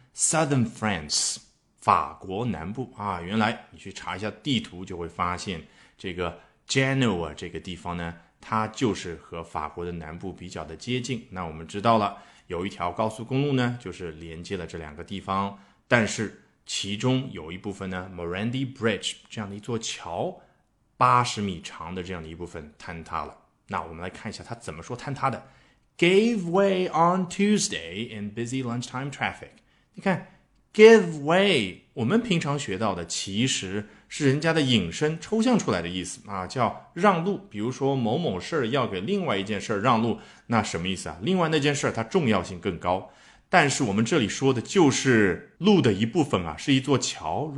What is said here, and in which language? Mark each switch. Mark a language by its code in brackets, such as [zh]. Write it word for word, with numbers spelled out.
[en] Southern France [zh] 法国南部啊，原来你去查一下地图就会发现这个 Genoa 这个地方呢，它就是和法国的南部比较的接近。那我们知道了，有一条高速公路呢，就是连接了这两个地方，但是其中有一部分呢 Morandi Bridge 这样的一座桥eighty米长的这样的一部分坍塌了。那我们来看一下它怎么说坍塌的。 [en] Gave way on Tuesday in busy lunchtime traffic. [zh] 你看Give way 我们平常学到的其实是人家的引申抽象出来的意思啊，叫让路。比如说某某事要给另外一件事让路，那什么意思啊？另外那件事它重要性更高，但是我们这里说的就是路的一部分啊，是一座桥。